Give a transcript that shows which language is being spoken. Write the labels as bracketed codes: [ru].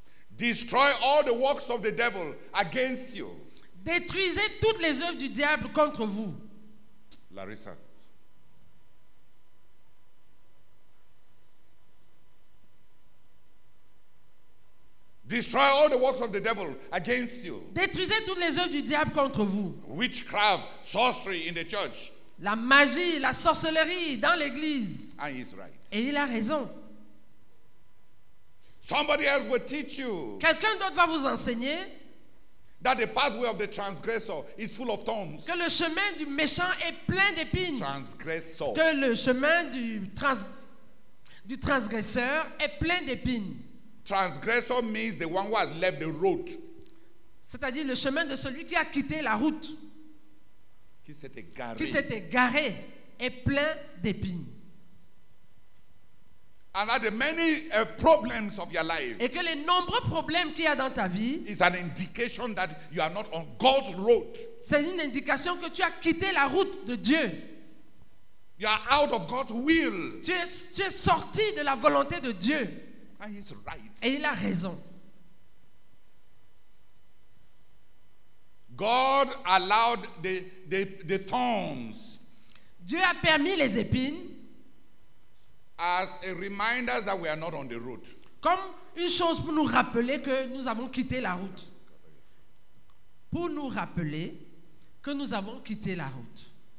[en] Destroy all the works of the devil against you. [fr] Détruisez toutes les œuvres du diable contre vous. Larissa. [en] Destroy all the works of the devil against you. [fr] Détruisez toutes les œuvres du diable contre vous. [en] Witchcraft, sorcery in the church. [fr] La magie, la sorcellerie dans l'église. [en] And he's right. [fr] Et il a raison. [en] Somebody else will teach you. [fr] Quelqu'un d'autre va vous enseigner. [en] That the pathway of the transgressor is full of thorns. [fr] Que le chemin du méchant est plein d'épines. [en] Transgressor. [fr] Que le chemin du transgresseur est plein d'épines. [en] Transgressor means the one who has left the road. [fr] C'est-à-dire le chemin de celui qui a quitté la route. Qui s'est égaré et plein d'épines. [en] And that the many problems of your life. [fr] Et que les nombreux problèmes qu'il y a dans ta vie. [en] Is an indication that you are not on God's road. [fr] C'est une indication que tu as quitté la route de Dieu. [en] You are out of God's will. [fr] Tu es sorti de la volonté de Dieu. [en] And he's right. [fr] Et il a raison. [en] God allowed the thorns. [fr] Dieu a permis les épines. [en] As a reminder that we are not on the road. [fr] Comme une chose pour nous rappeler que nous avons quitté la route. Pour nous rappeler que nous avons quitté la route.